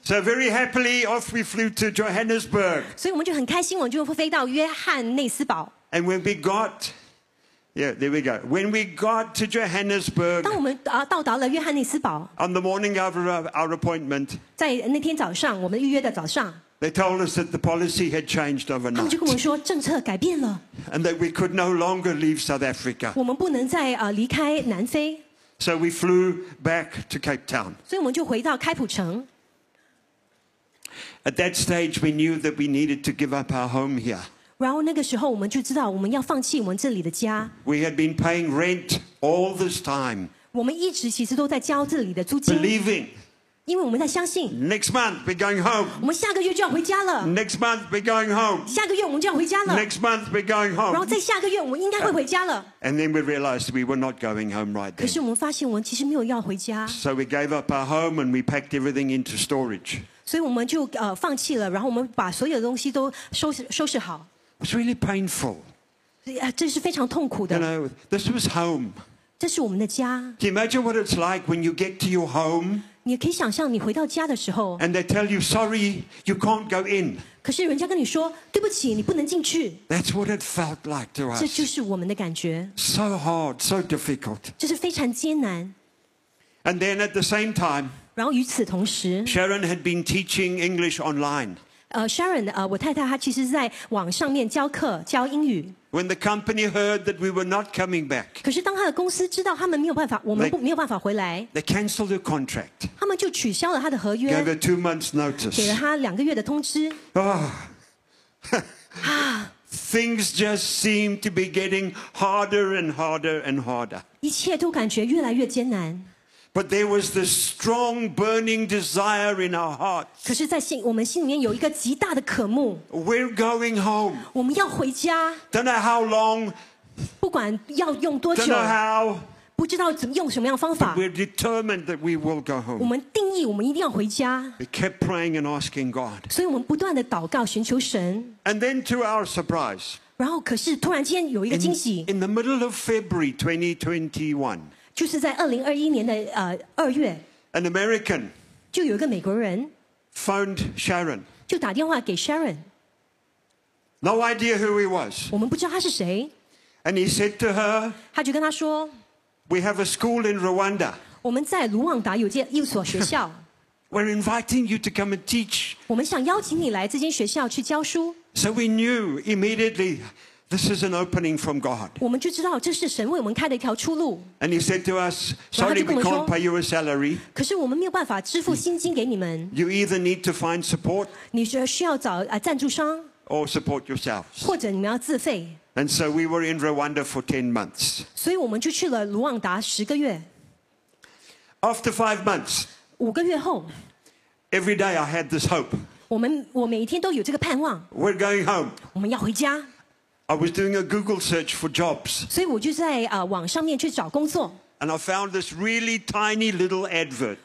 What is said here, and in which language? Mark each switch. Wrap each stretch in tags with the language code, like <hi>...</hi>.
<en>So very happily off we flew to Johannesburg</en> <zh>所以我们就很开心我们就飞到约翰内斯堡</zh> <en>And when we gotYeah, there we go. When we got to Johannesburg,</en> <zh>当我们到达了约翰内斯堡</zh> <en>on the morning of our appointment,</en> <zh>在那天早上，我们预约的早上</zh> <en>they told us that the policy had changed overnight.</en> <zh>他们就跟我们说政策改变了</zh> <en>and that we could no longer leave South Africa.</en> <zh>我们不能再离开南非</zh> <en>So we flew back to Cape Town.</en> <zh>所以我们就回到开普城</zh> <en>At that stage, we knew that we needed to give up our home here.</en> <zh>然后那个时候我们就知道我们要放弃我们这里的家</zh> <en>We had been paying rent all this time</en> <zh>我们一直其实都在交这里的租金</zh> <en>Believing</en> <zh>因为我们在相信</zh> <en>Next month we're going home</en> <zh>我们下个月就要回家了</zh> <en>Next month we're going home</en> <zh>下个月我们就要回家了</zh> <en>Next month we're going home</en> <zh>然后在下个月我们应该会回家了</zh> <en>And then we realized we were not going home right then</en> <zh>可是我们发现我们其实没有要回家</zh> <en>So we gave up our home and we packed everything into storage</en> <zh>所以我们就放弃了然后我们把所有的东西都收拾好</zh> <en>It was really painful.</en> <zh>这是非常痛苦的。</zh> <en>You know, this was home.</en> <zh>这是我们的家。</zh> <en>Can you imagine what it's like when you get to your home?</en> <zh>你可以想象你回到家的时候。</zh> <en>And they tell you, sorry, you can't go in.</en> <zh>可是人家跟你说，对不起，你不能进去。</zh> <en>That's what it felt like to us.</en> <zh>这就是我们的感觉。</zh> <en>So hard, so difficult.</en> <zh>这是非常艰难。</zh> <en>And then at the same time,</en> <zh>然后与此同时</zh> <en>Sharon had been teaching English online.</en> <zh>Sharon, 我太太她其实在网上面教课教英语。</zh> <en>When the company heard that we were not coming back,</en> <zh>可是当她的公司知道他们没有办法，我们没有办法回来</zh> <en>，they cancelled the contract.</en> <zh>他们就取消了她的合约</zh> <en>，gave her 2 months notice.</en> <zh>给了她两个月的通知。</zh> <en>Things just seem to be getting harder and harder and harder.</en> <zh>一切都感觉越来越艰难。</zh> <en>But there was this strong burning desire in our hearts.</en> <zh>可是在心我们心里面有一个极大的渴慕。</zh> <en>We're going home.</en> <zh>我们要回家。</zh> <en>Don't know how long.</en> <zh>不管要用多久。</zh> <en>Don't know how.</en> <zh>不知道用什么样的方法。</zh> <en>But we're determined that we will go home.</en> <zh>我们定义我们一定要回家。</zh> <en>We kept praying and asking God.</en> <zh>所以我们不断的祷告寻求神。</zh> <en>And then to our surprise.</en> <zh>然后可是突然间有一个惊喜。</zh> <en>In the middle of February 2021.</en> <zh>就是在2021年的二月</zh> <en>，An American</en> <zh>就有一个美国人</zh> <en>phoned Sharon，</en> <zh>就打电话给 Sharon。</zh> <en>No idea who he was。</en> <zh>我们不知道他是谁。</zh> <en>And he said to her，</en> <zh>他就跟他说</zh> <en>，We have a school in Rwanda。</en> <zh>我们在卢旺达有间一所学校。</zh> <en>We're inviting you to come and teach。</en> <zh>我们想邀请你来这间学校去教书。</zh> <en>So we knew immediately this is an opening from God。</en> <zh>我们就知道这是神为我们开的一条出路。</zh> <en>And he said to us, sorry, we can't pay you a salary。</en> <zh>可是我们没有办法支付薪金给你们。</zh> <en>You either need to find support。</en> <zh>你需要找赞助商。</zh> <en>Or support yourselves。</en> <zh>或者你们要自费。</zh> <en>And so we were in Rwanda for 10 months。</en> <zh>所以我们就去了卢旺达十个月。</zh> <en>After 5 months。</en> <zh>五个月后</zh> <en>，Every day I had this hope。</en> <zh>我每一天都有这个盼望。</zh> <en>We're going home。</en> <zh>我们要回家。</zh> <en>I was doing a Google search for jobs。</en> <zh>所以我就在网上面去找工作。</zh> <en>And I found this really tiny little advert。</en>